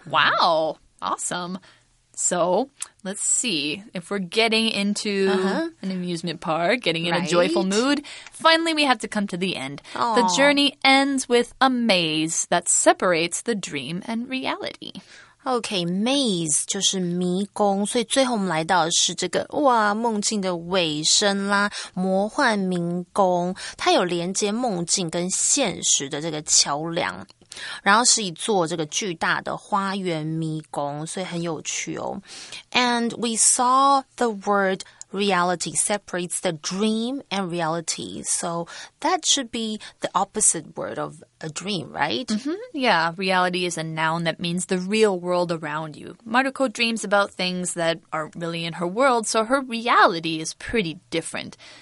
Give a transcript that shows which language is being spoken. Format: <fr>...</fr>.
<en>Wow. Awesome. So let's see if we're getting into an amusement park, getting in a joyful mood. Finally, we have to come to the end. Aww. The journey ends with a maze that separates the dream and reality.</en> <zh>Okay, maze 就是迷宫，所以最后我们来到的是这个哇，梦境的尾声啦，魔幻迷宫，它有连接梦境跟现实的这个桥梁，然后是一座这个巨大的花园迷宫，所以很有趣哦。</zh> <en>And we saw the word reality separates the dream and reality, so that should be the opposite word of. A dream, right? Yeah, reality is a noun that means the real world around you. Maruko dreams about things that aren't really in her world, so her reality is pretty different.</en>